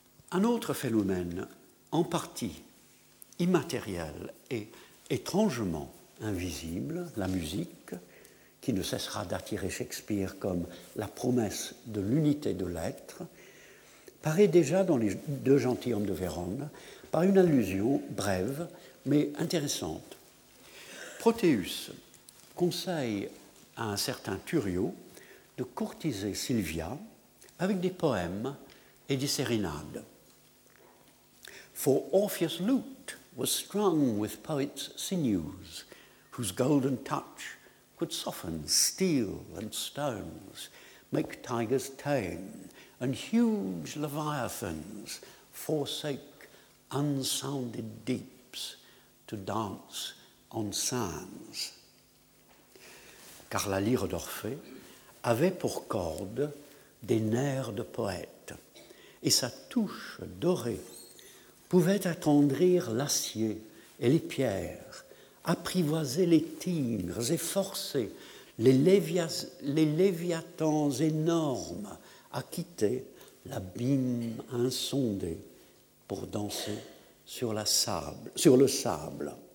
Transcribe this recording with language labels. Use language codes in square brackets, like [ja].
[fr] Un autre phénomène, en partie immatériel et étrangement invisible, la musique, qui ne cessera d'attirer Shakespeare comme la promesse de l'unité de l'être, paraît déjà dans les deux gentilshommes de Vérone par une allusion brève mais intéressante. Protéus conseille à un certain Turio de courtiser Sylvia avec des poèmes et des sérénades. [en] For Orpheus' lute was strung with poet's sinews, whose golden touch could soften steel and stones, make tigers tame, and huge leviathans forsake unsounded deeps to dance on sands. [fr] Car la lyre d'Orphée avait pour corde des nerfs de poète, et sa touche dorée pouvait attendrir l'acier et les pierres, apprivoiser les tigres et forcer les léviathans énormes à quitter l'abîme insondé pour danser sur le sable.